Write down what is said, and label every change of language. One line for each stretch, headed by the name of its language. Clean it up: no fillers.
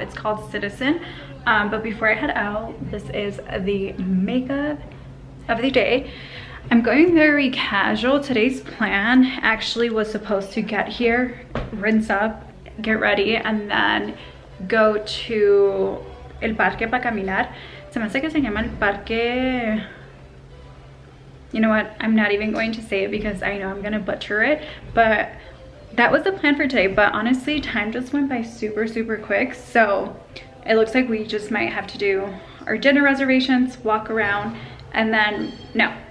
English: It's called Citizen. But before I head out, this is the makeup of the day. I'm going very casual. Today's plan actually was supposed to get here, rinse up, get ready, and then go to
Spanish: El Parque para caminar. Se me hace que se llama el parque.
English: You know what? I'm not even going to say it because I know I'm going to butcher it. But that was the plan for today. But honestly, time just went by super, super quick. So it looks like we just might have to do our dinner reservations, walk around, and then no.